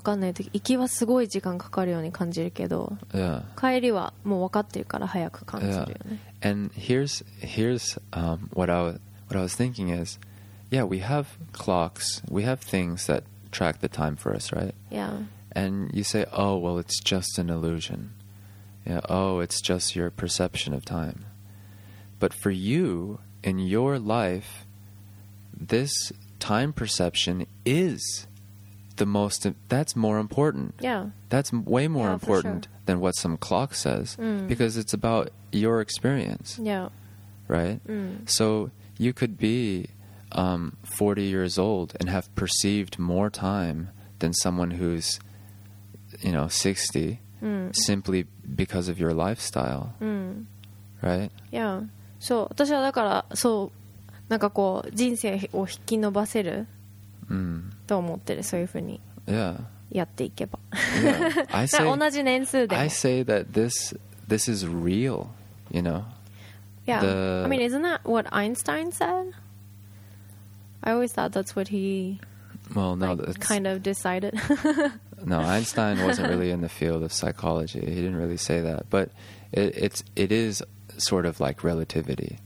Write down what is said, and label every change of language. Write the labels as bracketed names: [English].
[Japanese] 行きはどこに行く、どうやって行くのか分かんないとき、行きはすごい時間かかるように感じるけど、 [English] yeah. [Japanese] 帰りはもう分かってるから早く感じるよね。 [English] Yeah. And here's what I was thinking is, yeah, we have clocks, we have things that track the time for us, right? Yeah. And you say, oh, well, it's just an illusion. Yeah. Oh, it's just your perception of time. But for you, in your life, this time perception is the most, that's more important. Yeah. That's way more important for sure. Than what some clock says, because it's about your experience. Yeah. Right? Mm. So you could be 40 years old and have perceived more time than someone who's, you know, 60, simply because of your lifestyle. Right? Yeah. [Japanese] So, 私はだから、そう、 なんかこう人生を引き延ばせる と思ってる そういうふうに やっていけば [English] yeah. [Japanese] 同じ年数でも [English] I say that this is real, you know. Yeah, I mean, isn't that what Einstein said? I always thought that's what he kind of decided. No, Einstein wasn't really in the field of psychology. He didn't really say that, but it is sort of like relativity.